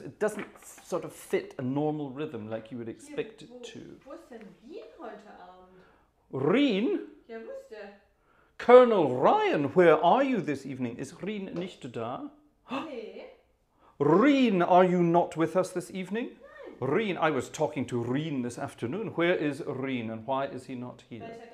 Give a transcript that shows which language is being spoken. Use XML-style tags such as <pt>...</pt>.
<en>It doesn't sort of fit a normal rhythm like you would expect it to.</en> <de>Wo ist denn Rien heute Abend? Rien? Ja, wo ist der?</de> <en>Colonel Ryan, where are you this evening?</en> <de>Is Rien nicht da?</de> <en>Rien, are you not with us this evening?</en> <de>Nein.</de> <en>Rien, I was talking to Rien this afternoon. Where is Rien and why is he not here?</en>